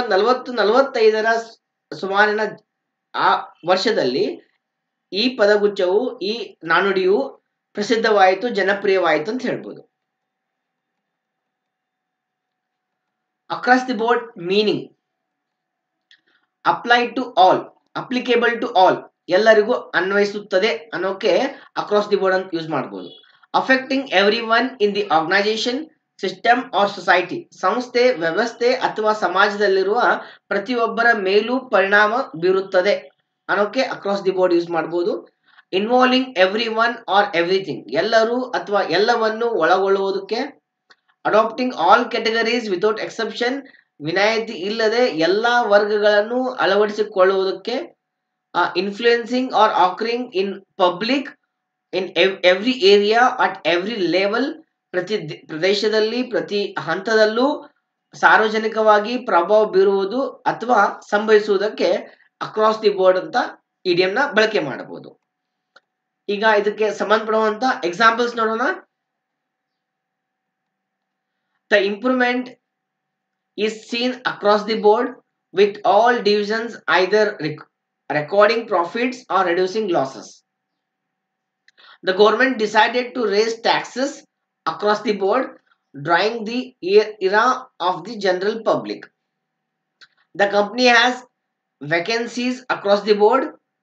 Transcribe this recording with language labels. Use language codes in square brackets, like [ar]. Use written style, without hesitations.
[kn] 1940-45 ಸುಮಾರಿನ ಆ ವರ್ಷದಲ್ಲಿ ಈ ಪದಗುಚ್ಛವು, ಈ ನಾಣುಡಿಯು ಪ್ರಸಿದ್ಧವಾಯಿತು, ಜನಪ್ರಿಯವಾಯಿತು ಅಂತ ಹೇಳ್ಬೋದು. [en] across the board meaning apply to all, applicable to all, [kn] ಎಲ್ಲರಿಗೂ ಅನ್ವಯಿಸುತ್ತದೆ ಅನ್ನೋಕೆ ಅಕ್ರಾಸ್ ದಿ ಬೋರ್ಡ್ ಅಂತ ಯೂಸ್ ಮಾಡ್ಬೋದು. [en] Affecting everyone in the organization, system or society. [kn] ಸಂಸ್ಥೆ, ವ್ಯವಸ್ಥೆ ಅಥವಾ ಸಮಾಜದಲ್ಲಿರುವ ಪ್ರತಿಯೊಬ್ಬರ ಮೇಲೂ ಪರಿಣಾಮ ಬೀರುತ್ತದೆ ಅನ್ನೋಕೆ ಅಕ್ರಾಸ್ ದಿ ಬೋರ್ಡ್ ಯೂಸ್ ಮಾಡ್ಬೋದು. [en] involving everyone or everything, [kn] ಎಲ್ಲರೂ ಅಥವಾ ಎಲ್ಲವನ್ನು ಒಳಗೊಳ್ಳುವುದಕ್ಕೆ. [en] adapting all categories without exception, [kn] ವಿನಾಯಿತಿ ಇಲ್ಲದೆ ಎಲ್ಲಾ ವರ್ಗಗಳನ್ನು ಅಳವಡಿಸಿಕೊಳ್ಳುವುದಕ್ಕೆ. [en] influencing or occurring in public in every area at every level, [kn] ಪ್ರತಿ ಪ್ರದೇಶದಲ್ಲಿ ಪ್ರತಿ ಹಂತದಲ್ಲೂ ಸಾರ್ವಜನಿಕವಾಗಿ ಪ್ರಭಾವ ಬೀರುವುದು ಅಥವಾ ಸಂಭವಿಸುವುದಕ್ಕೆ ಅಕ್ರಾಸ್ ದಿ ಬೋರ್ಡ್ ಅಂತ ಇಡಿಯಂನ ಬಳಕೆ ಮಾಡಬಹುದು. ಈಗ ಇದಕ್ಕೆ ಸಂಬಂಧಪಡುವಂತ ಎಕ್ಸಾಂಪಲ್ಸ್ ನೋಡೋಣ. [en] The improvement is seen across the board with all divisions either recording profits or reducing losses. The government decided to raise taxes across the board, drawing the ire of the general public. The company has vacancies across the board.